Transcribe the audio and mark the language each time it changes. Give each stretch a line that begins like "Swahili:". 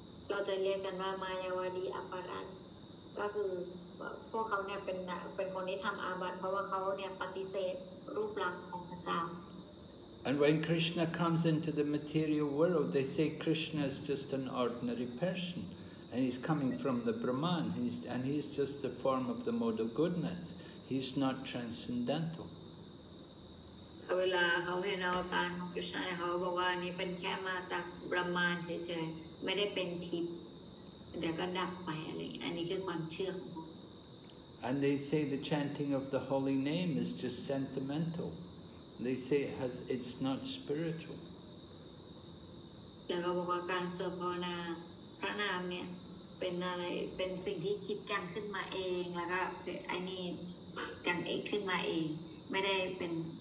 English: And when Krishna comes into the material world, they say Krishna is just an ordinary person, and he's coming from the Brahman, and he's just the form of the mode of goodness. He's not transcendental.
Thai: เวลาเขาเห็นอาการของคริสต์เขาบอกว่านี่เป็นแค่มาจากบรมานเฉยๆไม่ได้เป็นทิพย์เดี๋ยวก็ดับไปอะไรอันนี้คือความเชื่อของ
English: And they say the chanting of the holy name is just sentimental. They say it's not spiritual.
Thai: แล้วก็บอกว่าการสวดภาวนาพระนามเนี่ยเป็นอะไรเป็นสิ่งที่คิดกันขึ้นมาเองแล้วก็ไอ้นี่กันเองขึ้นมาเองไม่ได้เป็น